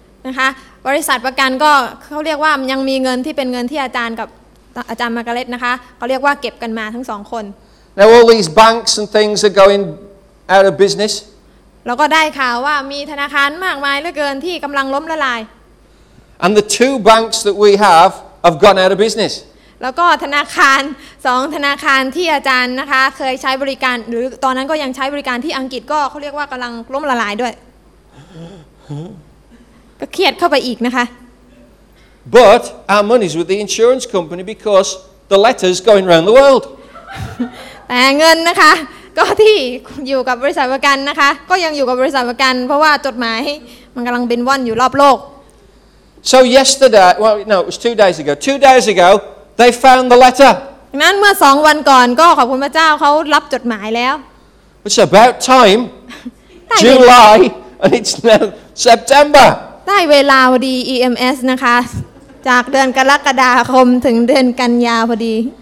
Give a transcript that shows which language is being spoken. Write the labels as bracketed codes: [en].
[th] นะคะบริษัทประกันก็เขาเรียกว่ายังมีเงินที่เป็นเงินที่อาจารย์กับอาจารย์มาร์กาเร็ตนะคะเขาเรียกว่าเก็บกันมาทั้งสองคน [en] Now all these banks and things are going out of business. [th] เราก็ได้ข่าวว่ามีธนาคารมากมายเหลือเกินที่กำลังล้มละลาย [en] And the two banks that we have gone out of business. [th] แล้วก็ธนาคาร2ธนาคารที่อาจารย์นะคะเคยใช้บริการหรือตอนนั้นก็ยังใช้บริการที่อังกฤษก็เขาเรียกว่ากำลังล้มละลายด้วยก็เครียดเข้าไปอีกนะคะ [en] But our money is with the insurance company because the letter's going around the world. [th] แต่เงินนะคะก็ที่อยู่กับบริษัทประกันนะคะก็ยังอยู่กับบริษัทประกันเพราะว่าจดหมายมันกำลังบินว่อนอยู่รอบโลก [en] So yesterday well no it was 2 days ago 2 days ago they found the letter [th] นั้นเมื่อ2วันก่อนก็ขอบคุณพระเจ้าเขารับจดหมายแล้ว [en] It's about time July and it's now September [th] ได้เวลาพอดี EMS นะคะจากเดือนกรกฎาคมถึงเดือนกันยาพอดี